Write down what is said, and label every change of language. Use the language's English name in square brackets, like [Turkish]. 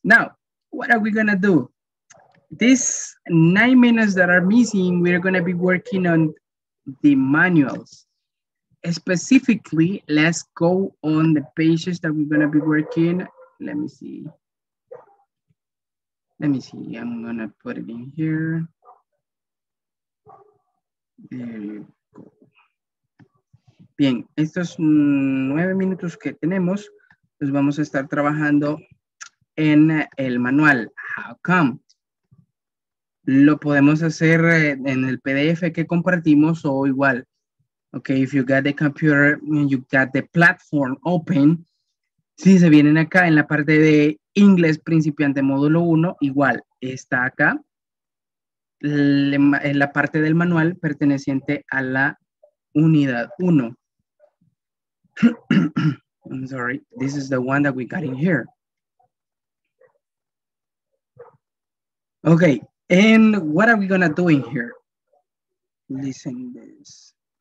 [English] Now, what are we gonna do? These 9 minutes that are missing, we're gonna be working on the manuals. Specifically, let's go on the pages that we're gonna be working. Let me see, I'm gonna put it in here. There you go. [Spanish] Bien, estos 9 minutos que tenemos, pues vamos a estar trabajando en el manual. [English] How come? [Spanish] Lo podemos hacer en el PDF que compartimos o igual. Okay, [English] if you got the computer and you got the platform open, [Spanish] si se vienen acá en la parte de inglés principiante módulo 1, igual está acá. En la parte del manual perteneciente a la unidad 1. [English] I'm sorry, this is the one that we got in here. Okay, and what are we gonna do in here? Listen to this.